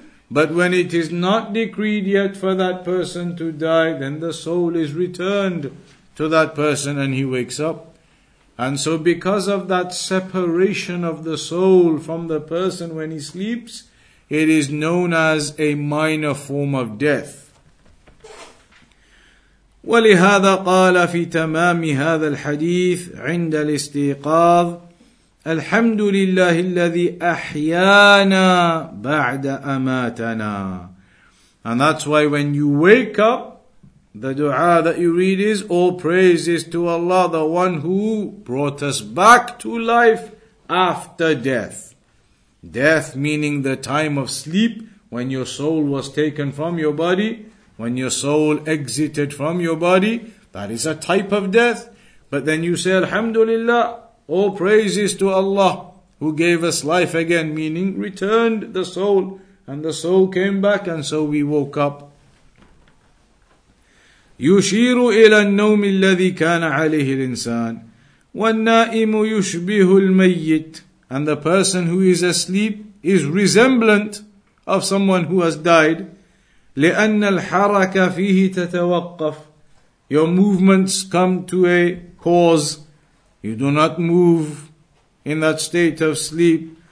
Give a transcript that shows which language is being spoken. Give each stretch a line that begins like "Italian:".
English: But when it is not decreed yet for that person to die, then the soul is returned to that person and he wakes up. And so because of that separation of the soul from the person when he sleeps, it is known as a minor form of death.
Arabic: ولهذا قال في تمام هذا الحديث عند الاستيقاظ الحمد لله الذي أحيانا بعد أماتنا.
English: And that's why when you wake up, the dua that you read is, all praises to Allah, the one who brought us back to life after death. Death meaning the time of sleep, when your soul was taken from your body, when your soul exited from your body, that is a type of death. But then you say, Alhamdulillah, all praises to Allah who gave us life again, meaning returned the soul, and the soul came back, and so we woke up.
Arabic: يشير إلى النوم الذي كان عليه الإنسان والنائم يشبه الميت.
English: And the person who is asleep is resemblant of someone who has died.
Arabic: لأن الحركة فيه تتوقف.
English: Your movements come to a pause. You do not move in that state of sleep.